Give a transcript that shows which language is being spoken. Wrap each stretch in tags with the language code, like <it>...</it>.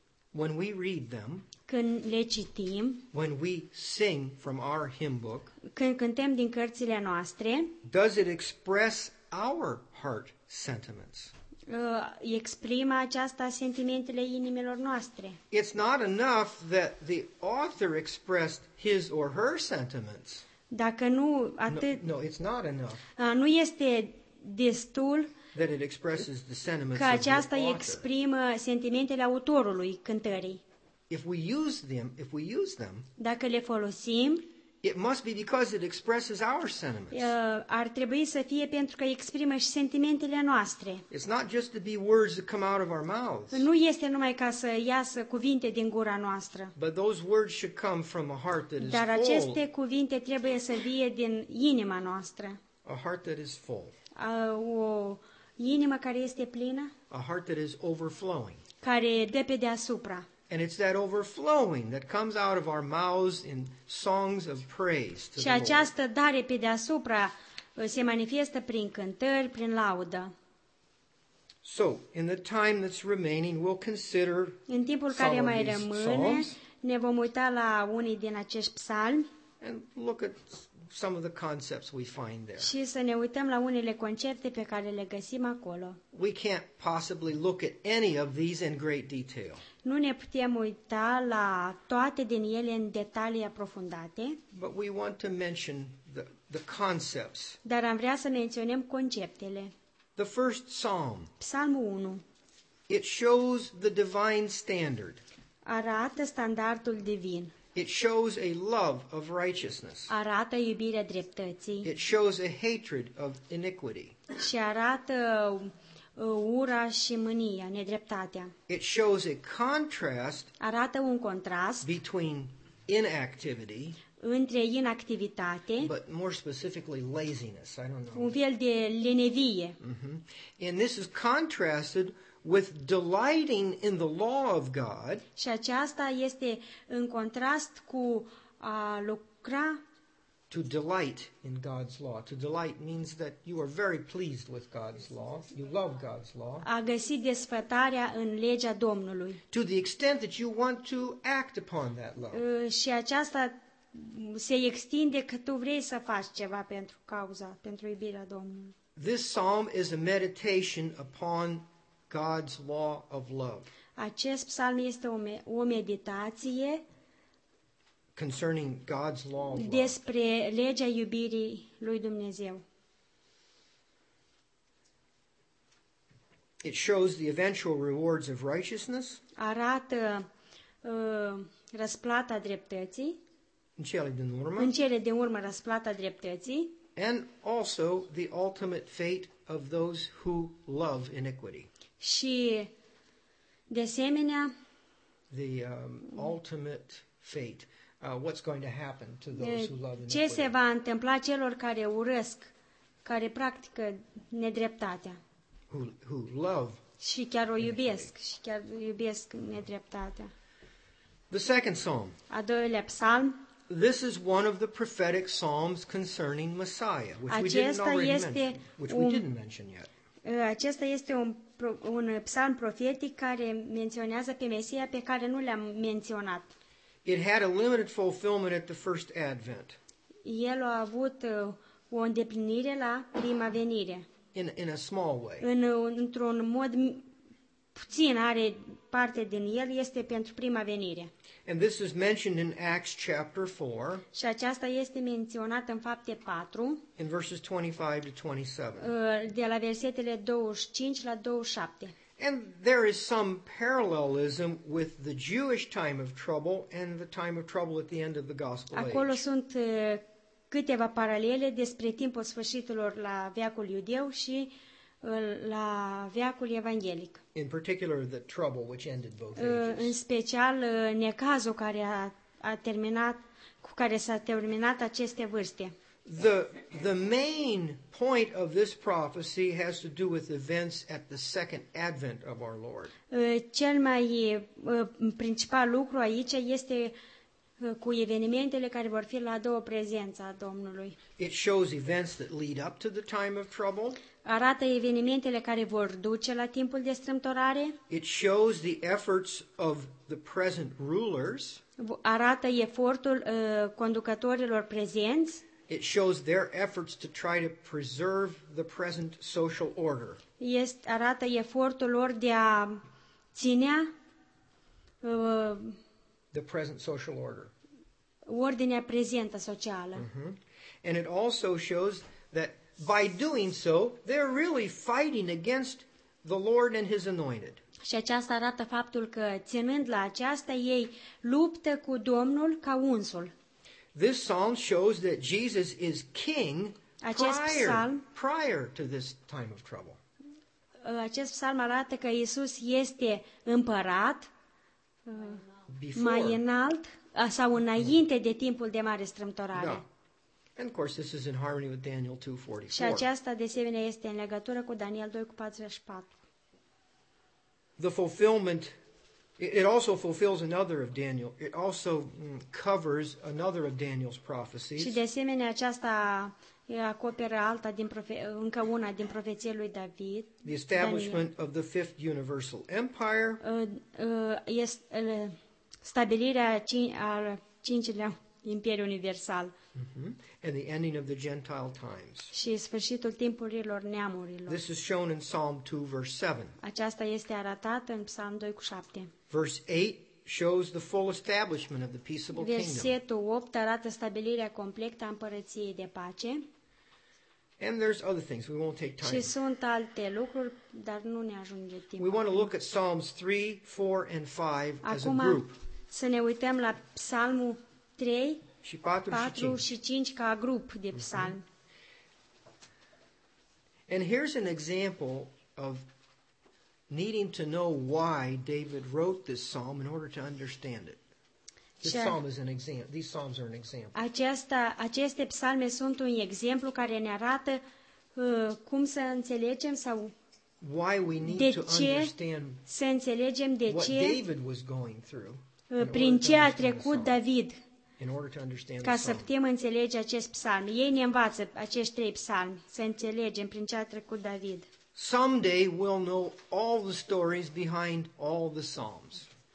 <en>When we read them,</en> <ro>când le citim,</ro> <en>when we sing from our hymn book,</en> <ro>când cântăm din cărțile noastre,</ro> <en>does it express our heart sentiments?</en> <ro>Exprimă aceasta sentimentele inimilor noastre.</ro> <en>It's not enough that the author expressed his or her sentiments.</en> <ro>Dacă nu atât.</ro> <en>No, it's not enough.</en> <ro>Nu este destul</ro> <en>that it expresses the sentiments</en> <ro>că aceasta exprimă sentimentele autorului cântării.</ro> <en>If we use them,</en> <ro>dacă le folosim,</ro> <en>it must be because it expresses our sentiments.</en> <ro>Ar trebui să fie pentru că exprimă și sentimentele noastre.</ro> <en>It's not just to be words that come out of our mouths.</en> <ro>Nu este numai ca să iasă cuvinte din gura noastră.</ro> <en>But those words should come from a heart that is full.</en> <ro>Dar aceste cuvinte trebuie să vie din inima noastră.</ro> <en>A heart that is full.</en> <ro>O inimă care este plină.</ro> <en>A heart that is overflowing.</en> <ro>Care dă pe deasupra.</ro> <en>And it's that overflowing that comes out of our mouths in songs of praise to the Lord.</en> <ro>Și această dare pe deasupra se manifestă prin cântări, prin laudă.</ro> <en>So, in the time that's remaining, we'll consider some of these psalms.</en> <ro>În timpul care mai rămâne, ne vom uita la unii din acești psalmi.</ro> <en>And look at some of the concepts we find there.</en> <ro>Și să ne uităm la unele concepte pe care le găsim acolo.</ro> <en>We can't possibly look at any of these in great detail.</en> <ro>Nu ne putem uita la toate din ele în detalii aprofundate.</ro> <en>But we want to mention the concepts.</en> <ro>Dar am vrea să menționăm conceptele.</ro> <en>The first psalm.</en> <ro>Psalmul 1.</ro> <en>It shows the divine standard.</en> <ro>Arată standardul divin.</ro> <en>It shows a love of righteousness.</en> <ro>Arată iubirea dreptății.</ro> <en>It shows a hatred of iniquity.</en> <ro>Și arată ura și mânia, nedreptatea.</ro> <en>It shows a contrast.</en> <ro>Arată un contrast</ro> <en>between inactivity.</en> <ro>Între inactivitate.</ro> <en>But more specifically laziness. I don't know.</en> <ro>Un fel de lenevie.</ro> <en>And this is contrasted with delighting in the law of God.</en> <ro>Și aceasta este în contrast cu a lucra.</ro> <en>To delight in God's law. To delight means that you are very pleased with God's law. You love God's law.</en> <ro>A găsi desfătarea în legea Domnului.</ro> <en>To the extent that you want to act upon that law.</en> <ro>Și aceasta se extinde că tu vrei să faci ceva pentru cauza, pentru iubirea Domnului.</ro> <en>This psalm is a meditation upon God's law of love.</en> <ro>Acest psalm este o meditație</ro> <en>concerning God's law of love.</en> <ro>Despre legea iubirii lui Dumnezeu.</ro> <en>It shows the eventual rewards of righteousness.</en> <ro>Arată răsplata dreptății. În cele din urmă. În cele din urmă răsplata dreptății.</ro> <en>And also the ultimate fate of those who love iniquity.</en> <ro>Și de asemenea</ro> <en>the ultimate fate, what's going to happen to those who love iniquity.</en> <ro>Ce se va întâmpla celor care urăsc, care practică nedreptatea?</ro> <en>Who love.</en> <ro>Și chiar o iubesc, și chiar iubesc nedreptatea.</ro> <en>The second psalm.</en> <ro>A doilea psalm.</ro> <en>This is one of the prophetic psalms concerning Messiah, which we didn't mention yet.</en> <ro>Acesta este un psalm profetic care menționează pe Mesia pe care nu l-am menționat.</ro> <en>It had a limited fulfillment at the first advent.</en> <ro>El a avut o îndeplinire la prima venire. In a small way. Într-un mod puțin are parte din el este pentru prima venire.</ro> <en>And this is mentioned in Acts chapter 4.</en> <ro>Și aceasta este menționat în Fapte 4.</ro> <en>In verses 25-27.</en> <ro>De la versetele 25 la 27.</ro> <en>And there is some parallelism with the Jewish time of trouble and the time of trouble at the end of the Gospel Age.</en> <ro>Acolo sunt câteva paralele despre timpul sfârșitelor la veacul iudeu și la veacul evanghelic.</ro> <en>In particular, the trouble which ended both ages.</en> <ro>În special, necazul care a terminat, cu care s-a terminat aceste vârste.</ro> <en>The main point of this prophecy has to do with events at the second advent of our Lord.</en> <ro>Cel mai principal lucru aici este cu evenimentele care vor fi la a doua prezență a Domnului.</ro> <en>It shows events that lead up to the time of trouble.</en> <ro>Arată evenimentele care vor duce la timpul de strâmtorare.</ro> <en>It shows the efforts of the present rulers.</en> <ro>Arată efortul conducătorilor prezenți.</ro> <en>It shows their efforts to try to preserve the present social order.</en> <ro>Arată efortul lor de a ține</ro> <en>the present social order.</en> <ro>Ordinea prezentă socială. Mm-hmm.</ro> <en>And it also shows that by doing so, they're really fighting against the Lord and His anointed.</en> <ro>Și aceasta arată faptul că ținând la aceasta, ei luptă cu Domnul ca unsul.</ro> <en>This psalm shows that Jesus is king prior to this time of trouble.</en> <ro>Acest psalm arată că Iisus este împărat mai înalt sau înainte de timpul de mare strâmtorare.</ro> <en>No. And of course this is in harmony with Daniel 2:44.</en> <ro>Și aceasta de asemenea este în legătură cu Daniel 2:44.</ro> <en>The fulfillment it also fulfills another of Daniel. It also covers another of Daniel's prophecies.</en> <ro>Și de asemenea aceasta acoperă alta din încă una din profeția lui David.</ro> <en>The establishment of the fifth universal empire.</en> <ro>Stabilirea al cincilea imperiu universal.</ro> <en>Mm-hmm. And the ending of the Gentile times.</en> <ro>Și sfârșitul timpurilor neamurilor.</ro> <en>This is shown in Psalm 2, verse 7.</en> <ro>Aceasta este arătat în Psalm 2 cu 7.</ro> <en>Verse 8 shows the full establishment of the peaceable kingdom.</en> <ro>Versetul 8 arată stabilirea completă a împărăției de pace.</ro> <en>And there's other things. We won't take time.</en> <ro>Și sunt alte lucruri, dar nu ne ajunge timpul.</ro> <en>We want to look at Psalms 3, 4, and 5 as</en> <ro>acum</ro> <en>a group.</en> <ro>Să ne uităm la Psalmul 3. Și 4 și 5 ca grup de psalmi. Mm-hmm.</ro> <en>And here's an example of needing to know why David wrote this psalm in order to understand it. These psalms are an example.</en> <ro>Aceste psalme sunt un exemplu care ne arată cum să înțelegem sau</ro> <en>why we need</en> <ro>de</ro> <en>to understand</en> <ro>să înțelegem de</ro> <en>what</en> <ro>ce</ro> <en>David was going through.</en> <ro>Prin ce a trecut David.</ro> <en>In order to understand</en> <ro>ca să putem înțelege acest psalm. Ei ne învață acești trei psalmi să înțelegem prin ce a trecut David.</ro> <en>Someday we'll know all the stories behind all the psalms.</en>